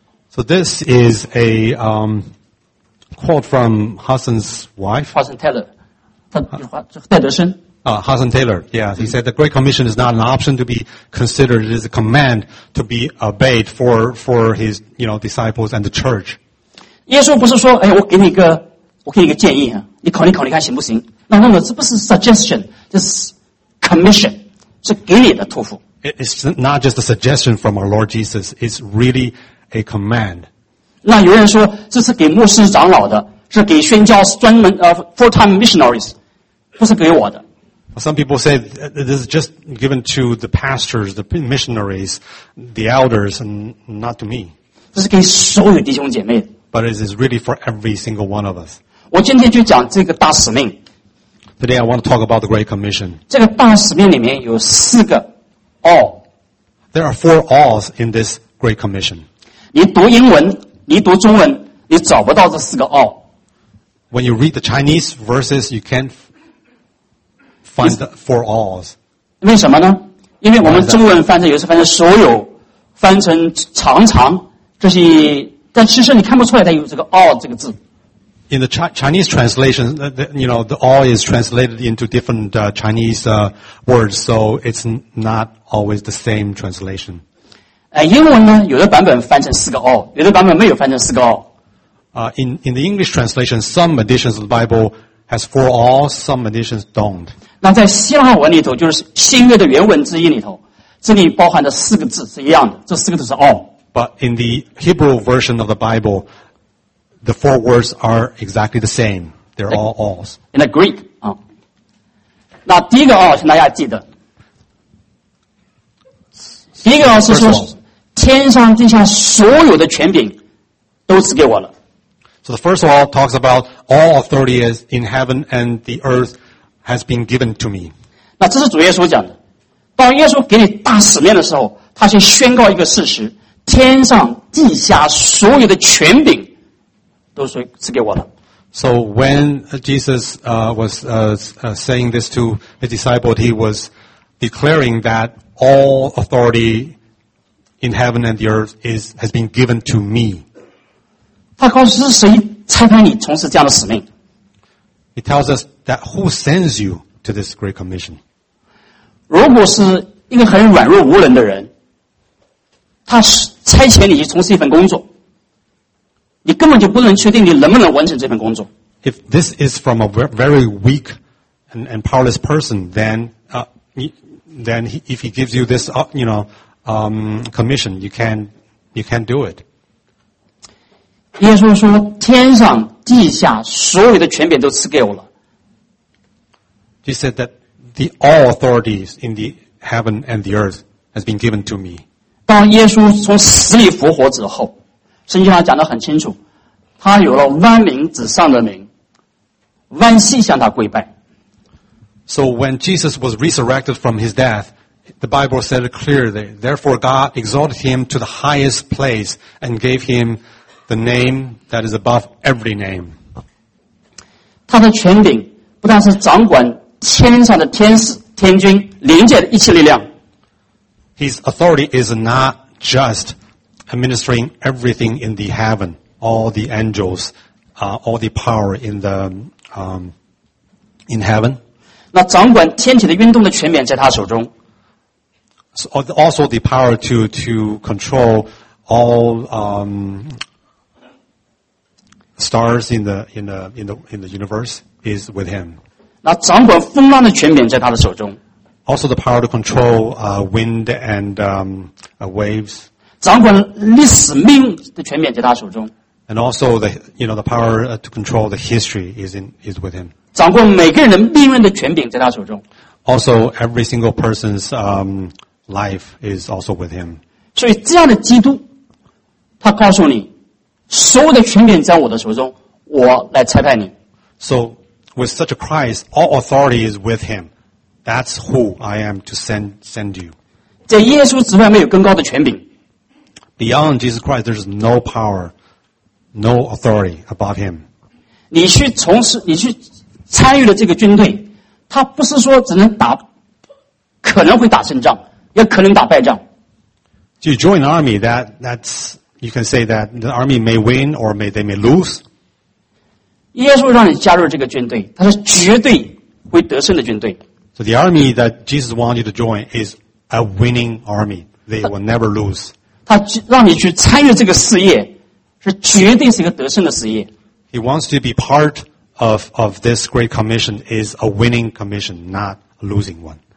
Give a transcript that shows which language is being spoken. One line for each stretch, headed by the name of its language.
English: So this is a quote from Hudson's wife.
Chinese: Hudson Taylor, 他戴德森。
English: Hudson Taylor, yeah, he said the Great Commission is not an option to be considered; it is a command to be obeyed for his you know disciples and the church.
Chinese: 耶稣不是说，哎，我给你一个建议啊，你考虑考虑看行不行？那这不是
English: suggestion,
Chinese: 这是。Commission 是给你的托付。
English: It's not just a suggestion from our Lord Jesus. It's really a command.
Chinese: 那有人说这是给牧师长老的，是给宣教专门
English: full-time missionaries，
Chinese: 不是给我的。
English: Some people say this is just given to the pastors, the missionaries, the elders, and not to me.
Chinese: 这是给所有弟兄姐妹。
English: But it is really for every single one of us.
Chinese: 我今天就讲这个大使命。
English: Today I want to talk about the Great Commission.
Chinese: 这个大使命里面有四个 all.
English: There are four alls in this Great Commission.
Chinese: 你读英文，你读中文，你找不到这四个 all.
English: When you read the Chinese verses, you can't find the four alls.
Chinese: 为什么呢？因为我们中文翻成有时翻成所有，翻成常常，这些，但其实你看不出来它有这个 all 这个字。
English: In the Chinese translation, you know, the all is translated into different Chinese words, so it's not always the same translation.
Chinese: 英文呢，有的版本翻成四个 all， 有的版本没有翻成四个 all.
English: In the English translation, some editions of the Bible has four all, some editions don't.
Chinese: 那在希腊文里头，就是新约的原文之一里头，这里包含的四个字是一样的，这四个字是 all.
English: But in the Hebrew version of the Bible,The four words are exactly the same. They're all alls. In the Greek,
Chinese: 那第一个 all 请大家记得。第一个 all 是说，天上地下所有的权柄都赐给我了。
English: So the first all talks about all authority is in heaven and the earth has been given to me.
Chinese: 那这是主耶稣讲的。当耶稣给你大使命的时候，他先宣告一个事实：天上地下所有的权柄。
English: So when Jesus was saying this to his disciples, he was declaring that all authority in heaven and the earth has been given to me.
Chinese: 他告诉是谁差派你从事这样的使命。
English: He tells us that who sends you to this great commission.
Chinese: 如果是一个很软弱无能的人，他差遣你去从事一份工作，你根本就不能确定你能不能完成这份工作。
English: If this is from a very weak and powerless person, then if he gives you this, commission, you can't do it.
Chinese: 耶稣说：“天上地下所有的权柄都赐给我了。”
English: He said that the all authorities in the heaven and the earth has been given to me.
Chinese: 当耶稣从死里复活之后，圣经上讲得很清楚，他有了万民之上的名。万膝向他跪拜。
English: So when Jesus was resurrected from his death, the Bible said it clearly. Therefore, God exalted him to the highest place and gave him the name that is above every name.
Chinese: 他的权柄不但是掌管天上的天使、天军、灵界的一切力量。
English: His authority is not just administering everything in the heaven, all the angels, all the power in the in heaven.
Chinese: 那掌管天体的运动的权柄在他手中。
English: So also the power to control all stars in the universe is with him.
Chinese: 那掌管风浪的权柄在他的手中。
English: Also the power to control wind and waves.
Chinese: 掌管历史命的权柄在他手中。
English: And also the power to control the history is with him.
Chinese: 掌握每个人命运的权柄在他手中。
English: Also, every single person's life is also with him.
Chinese: 所以这样的基督，他告诉你，所有的权柄在我的手中，我来裁判你。
English: So, with such a Christ, all authority is with him. That's who I am to send you.
Chinese: 在耶稣之外没有更高的权柄。
English: Beyond Jesus Christ, there's no power. No authority above him.
Chinese: 你去从事，你去参与了这个军队，他不是说只能打，可能会打胜仗，也可能打败仗。
English: You join the army, that's you can say that the army may win or they may lose.
Chinese: 耶稣让你加入这个军队，他是绝对会得胜的军队。
English: So the army that Jesus wants you to join is a winning army. They will never lose.
Chinese: 他让你去参与这个事业。是绝对是一个得胜的事业。
English: He wants to be part of this great commission is a winning commission, not a losing one.